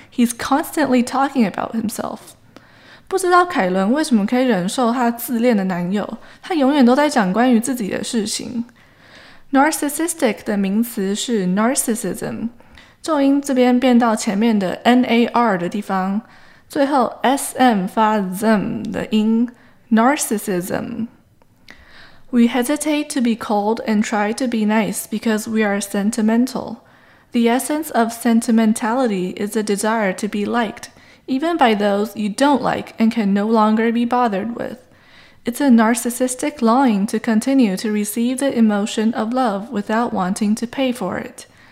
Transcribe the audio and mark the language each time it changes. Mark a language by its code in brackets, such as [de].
[en] He's constantly talking about himself. [zh] 不知道凯伦为什么可以忍受她自恋的男友，她永远都在讲关于自己的事情。 Narcissistic 的名词是 narcissism， 重音这边变到前面的 nar 的地方，最后 sm 发 zm 的音 ，narcissism。 [en] We hesitate to be cold and try to be nice because we are sentimental. The essence of sentimentality is a desire to be liked. Even by those you don't like and can no longer be bothered with. It's a narcissistic longing to continue to receive the emotion of love without wanting to pay for it.